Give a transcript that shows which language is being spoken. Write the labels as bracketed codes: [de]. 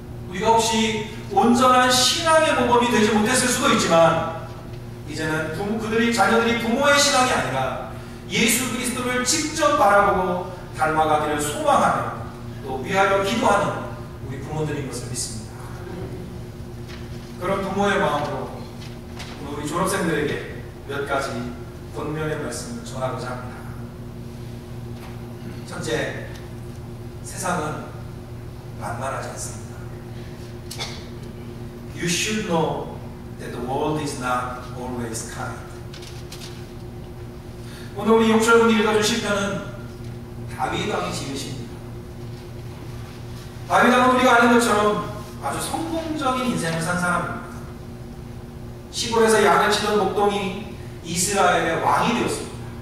[ko] 우리가 혹시 온전한 신앙의 모범이 되지 못했을 수도 있지만 이제는 그들이 자녀들이 부모의 신앙이 아니라 예수 그리스도를 직접 바라보고 닮아가기를 소망하며 또 위하여 기도하는 우리 부모들인 것을 믿습니다. 그런 부모의 마음으로 우리 졸업생들에게 몇 가지 권면의 말씀을 전하고자 합니다. 첫째, 세상은 만만하지 않습니다. [en] You should know that the world is not always kind. [ko] 오늘 우리 6절분이 읽어주실 편은 다윗왕이 지으신 다윗왕은 우리가 아는 것처럼 아주 성공적인 인생을 산 사람입니다. 시골에서 양을 치던 목동이 이스라엘의 왕이 되었습니다.